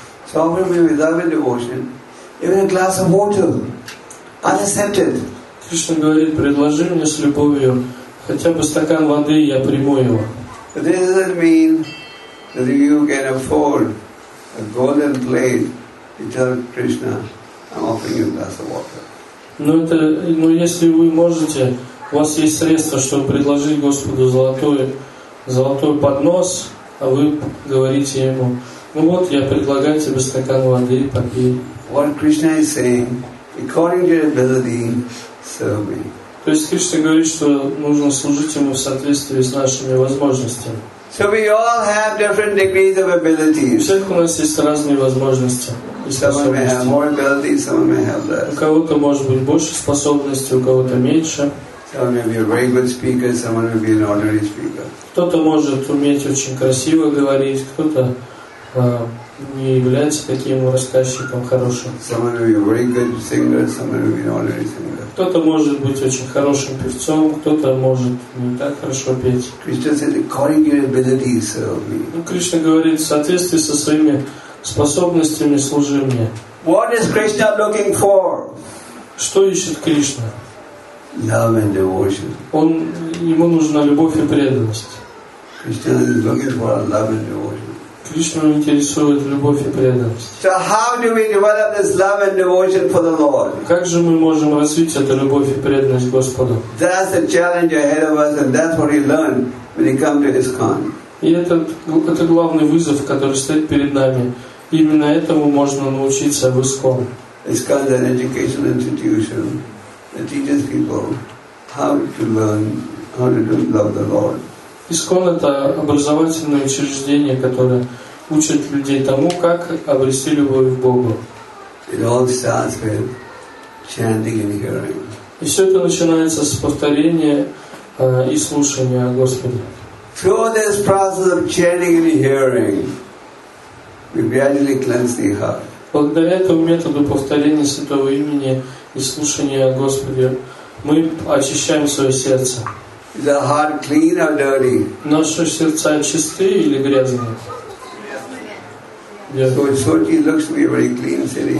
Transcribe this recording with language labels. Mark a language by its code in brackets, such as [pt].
[en] So offer me with love and devotion, even a glass of water, unaccepted. [ru] Кришна говорит, предложи мне с любовью хотя бы стакан воды, я приму его. [en] But this doesn't mean that you can afford a golden plate to tell Krishna, I'm offering you a glass of water. [ru] Но если вы можете, у вас есть средства, чтобы предложить Господу золотой поднос, а вы говорите ему, ну вот, я предлагаю тебе стакан воды, попей. [en] What Krishna is saying, according to your ability, serve me. [ru] То есть Кришна говорит, что нужно служить ему в соответствии с нашими возможностями. [en] So we all have different degrees of abilities. [ru] У всех у нас есть разные возможности. [en] Some may have more ability, some may have less. [ru] У кого-то может быть больше способностей, у кого-то меньше. [en] Some may be a very good speaker, someone may be an ordinary speaker. [ru] Кто-то может уметь очень красиво говорить, кто-то не является таким рассказчиком хорошим. [en] Someone may be a very good singer, someone may be an ordinary singer. [ru] Кто-то может быть очень хорошим певцом, кто-то может не так хорошо петь. [en] Krishna said, according to your abilities, serve me. [ru] Кришна говорит, в соответствии со своими способностями служи мне. [en] What is Krishna looking for? [ru] Что ищет Кришна? [en] Love and devotion. [ru] Ему нужна любовь и преданность. [en] Krishna is looking for love and devotion. [ru] Кришна интересует любовь и преданность. [en] So how do we develop this love and devotion for the Lord? [ru] Как же мы можем развить эту любовь и преданность Господу? [en] That's the challenge ahead of us, and that's what he learned when he came to ISKCON. [ru] И это главный вызов, который стоит перед нами. Именно этому можно научиться в ISKCON. [en] ISKCON is an educational institution. It teaches people how to learn how to love the Lord. [ru] ISKCON – это образовательное учреждение, которое учит людей тому, как обрести любовь к Богу. [en] It all starts with chanting and hearing. [ru] И все это начинается с повторения и слушания Господа. [en] Through this process of chanting and hearing, we gradually cleanse the heart. [ru] Благодаря этому методу повторения Святого Имени и слушания Господи, мы очищаем свое сердце. [en] Is our heart clean or dirty? [ru] Наши сердца чистые или грязные? [en] So Sochi looks to be a very clean city.